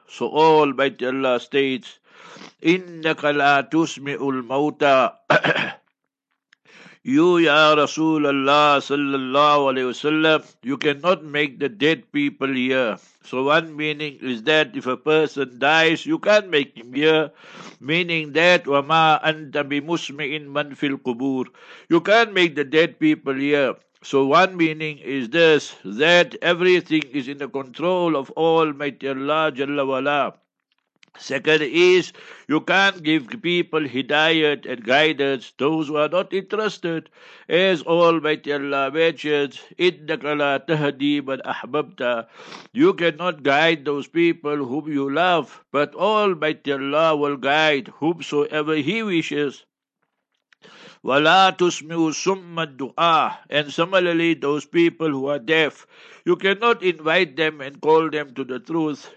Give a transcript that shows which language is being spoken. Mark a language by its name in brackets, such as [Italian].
[English] So Almighty Allah states, [Arabic] إِنَّكَ لَا تُسْمِعُ الْمَوْتَى. [English] You, Ya Rasulullah Sallallahu Alaihi Wasallam, you cannot make the dead people hear. So one meaning is that if a person dies, you can't make him hear. Meaning that, [Arabic] وَمَا أَنْتَ بِمُسْمِعٍ مَنْ فِي الْقُبُورِ. [English] You can't make the dead people hear. So one meaning is this, that everything is in the control of Almighty Allah Jalla Wala. Second is, you can't give people hidayat and guidance, those who are not interested. As Almighty Allah mentions, [Arabic] إِنَّكَ لَا تَهْدِي مَنْ أَحْبَبْتَ. [English] You cannot guide those people whom you love, but Almighty Allah will guide whomsoever He wishes. [Arabic] وَلَا تُسْمِعُ سُمَّ الدُّعَى. [English] And similarly, those people who are deaf, you cannot invite them and call them to the truth.